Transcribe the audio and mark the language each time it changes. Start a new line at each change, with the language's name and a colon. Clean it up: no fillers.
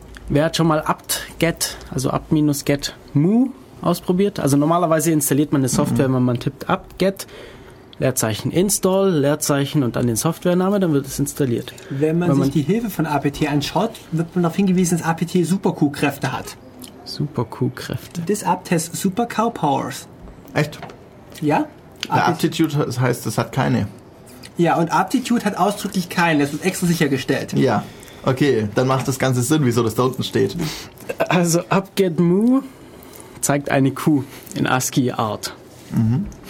German: Wer hat schon mal apt-get, also apt-get mu ausprobiert? Also normalerweise installiert man eine Software, wenn man tippt apt-get, Leerzeichen install, Leerzeichen und dann den Softwarename, dann wird es installiert. Wenn man sich die Hilfe von APT anschaut, wird man darauf hingewiesen, dass APT Super-Q-Kräfte hat. Super-Q-Kräfte.
English: This apt has Super-Cow-Powers.
German: Echt? Ja. Der Aptitude heißt, es hat keine. Ja, und Aptitude hat ausdrücklich keine, das wird extra sichergestellt. Ja, okay, dann macht das Ganze Sinn, wieso das da unten steht. Also apt-get mu zeigt eine Q in ASCII-Art. Mhm.